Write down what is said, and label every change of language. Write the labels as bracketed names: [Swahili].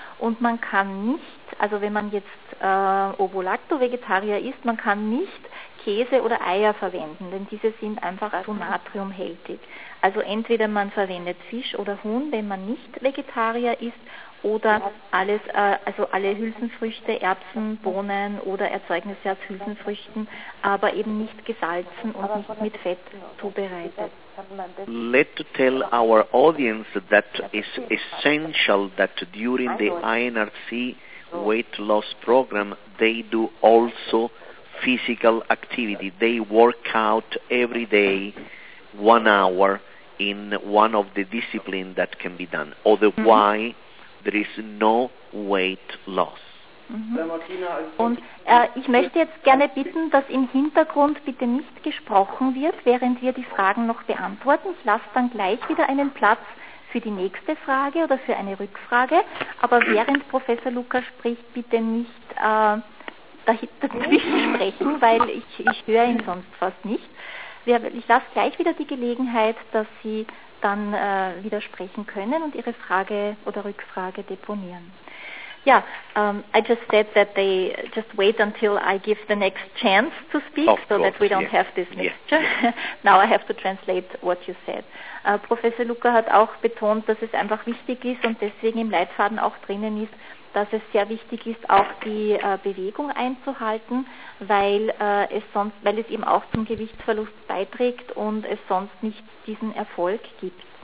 [German] Und man kann nicht, also wenn man jetzt Ovo-Lacto-Vegetarier ist, man kann nicht Käse oder Eier verwenden, denn diese sind einfach zu natriumhältig. Also entweder man verwendet Fisch oder Huhn, wenn man nicht Vegetarier ist, oder alles, also alle Hülsenfrüchte, Erbsen, Bohnen oder Erzeugnisse aus Hülsenfrüchten, aber eben nicht gesalzen und nicht mit Fett zubereitet. [English] Let to tell our audience that is essential that during the INRC weight loss program they do also physical activity. They work out every day 1 hour in one of the disciplines that can be done. Otherwise, there is no weight loss. Mhm. [German] Und ich möchte jetzt gerne bitten, dass im Hintergrund bitte nicht gesprochen wird, während wir die Fragen noch beantworten. Ich lasse dann gleich wieder einen Platz für die nächste Frage oder für eine Rückfrage. Aber während Professor Luca spricht, bitte nicht dazwischen sprechen, weil ich höre ihn sonst fast nicht. Ich lasse gleich wieder die Gelegenheit, dass Sie dann widersprechen können und Ihre Frage oder Rückfrage deponieren. [English] Ja, I just said that they just wait until I give the next chance to speak, of so course, that we don't have this mixture. Now I have to translate what you said. [German] Professor Luca hat auch betont, dass es einfach wichtig ist und deswegen im Leitfaden auch drinnen ist, dass es sehr wichtig ist, auch die Bewegung einzuhalten, weil es eben auch zum Gewichtsverlust beiträgt und es sonst nicht diesen Erfolg gibt.